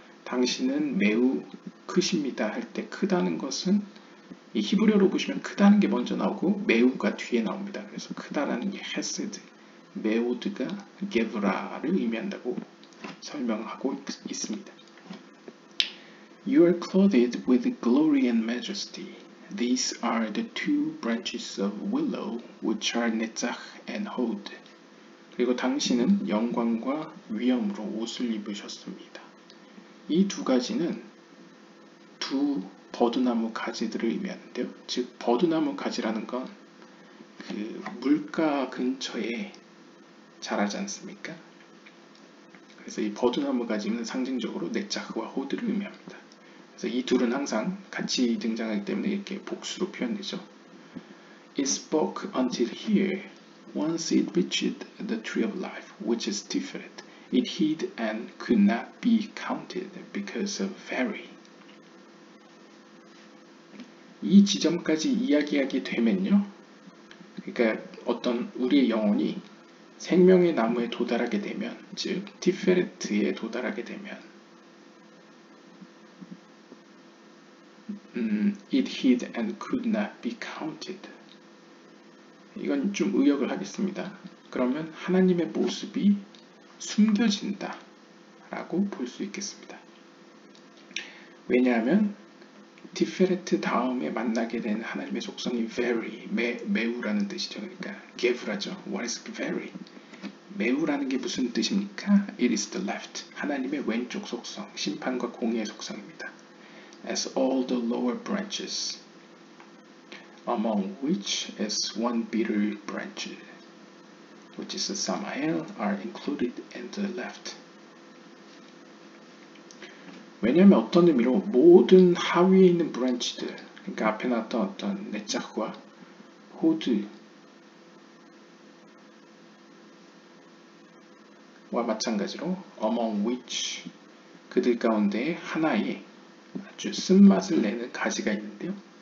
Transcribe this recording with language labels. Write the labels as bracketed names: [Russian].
[Korean] 당신은 매우 크십니다 할 때 크다는 것은 이 히브리어로 보시면 크다는 게 먼저 나오고 매우가 뒤에 나옵니다. 그래서 크다라는 게 헤세드. 메오드가 게브라를 의미한다고 설명하고 있습니다. [English] You are clothed with glory and majesty. These are the two branches of willow, which are Netzach and Hod. [Korean] 그리고 당신은 영광과 위엄으로 옷을 입으셨습니다. 이 두 가지는 두 버드나무 가지들을 의미하는데요. 즉, 버드나무 가지라는 건 그 물가 근처에 자라지 않습니까? 그래서 이 버드나무 가지는 상징적으로 넷자크와 호드를 의미합니다. 그래서 이 둘은 항상 같이 등장하기 때문에 이렇게 복수로 표현되죠. [English] It spoke until here, once it reached the tree of life, which is Tiferet. It hid and could not be counted because of very. [Korean] 이 지점까지 이야기하게 되면요. 그러니까 어떤 우리의 영혼이 생명의 나무에 도달하게 되면, 즉 티페레트에 도달하게 되면 [English] it hid and could not be counted. [Korean] 이건 좀 의역을 하겠습니다. 그러면 하나님의 모습이 숨겨진다 라고 볼 수 있겠습니다. 왜냐하면 티페레트 다음에 만나게 된 하나님의 속성이 very, 매우라는 뜻이죠. 그러니까 게브라죠. [English] What is very? [Korean] 매우라는 게 무슨 뜻입니까? [English] It is the left. [Korean] 하나님의 왼쪽 속성, 심판과 공의의 속성입니다. [English] As all the lower branches, among which is one bitter branch, which is Samael, are included in the left. [Korean] 왜냐하면 어떤 의미로 모든 하위에 있는 브랜치들, 그러니까 앞에 나왔던 어떤 넷자크와 호드, 와 마찬가지로 [English] among which [Korean] 그들 가운데 하나의 아주 쓴맛을 내는 가지가 있는데요.